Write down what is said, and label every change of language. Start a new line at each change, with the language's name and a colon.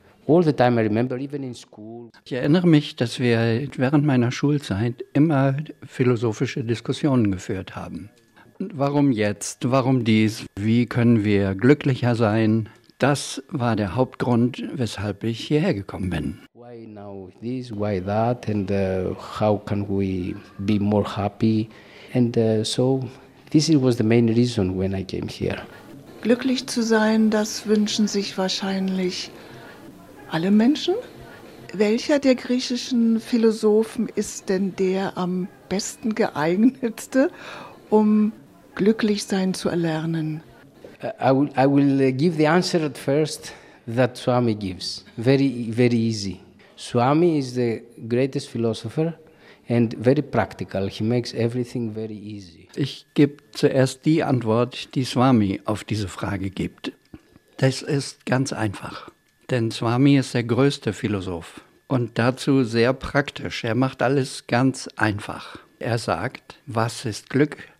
English: All the time I remember, even in school.
German: Ich erinnere mich, dass wir während meiner Schulzeit immer philosophische Diskussionen geführt haben. Warum jetzt? Warum dies? Wie können wir glücklicher sein? Das war der Hauptgrund, weshalb ich hierher gekommen bin.
English: Why now this? Why that? And how can we be more happy? And so this was the main reason when I came here.
German: Glücklich zu sein, das wünschen sich wahrscheinlich alle Menschen. Welcher der griechischen Philosophen ist denn der am besten geeignetste, um glücklich sein zu erlernen?
English: I will give the answer at first that Swami gives. Very, very easy. Swami is the greatest philosopher and very practical. He makes everything very easy.
German: Ich gebe zuerst die Antwort, die Swami auf diese Frage gibt. Das ist ganz einfach. Denn Swami ist der größte Philosoph und dazu sehr praktisch. Er macht alles ganz einfach. Er sagt, was ist Glück?